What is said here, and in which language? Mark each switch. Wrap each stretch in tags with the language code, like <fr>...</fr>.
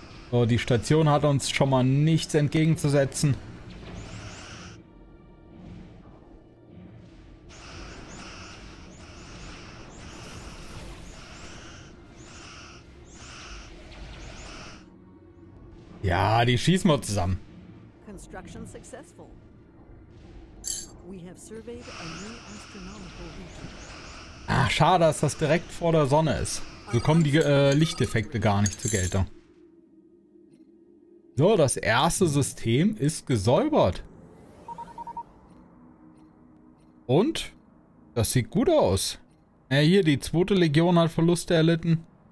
<de>So, die Station hat uns schon mal nichts entgegenzusetzen. Ja, die schießen wir zusammen.</de> <en>Construction successful. We have surveyed a new astronomical region.</en> <de>Ach, schade, dass das direkt vor der Sonne ist. So kommen die Lichteffekte gar nicht zur Geltung. So, das erste System ist gesäubert. Und? Das sieht gut aus. Ja, hier, die zweite Legion hat Verluste erlitten.</de>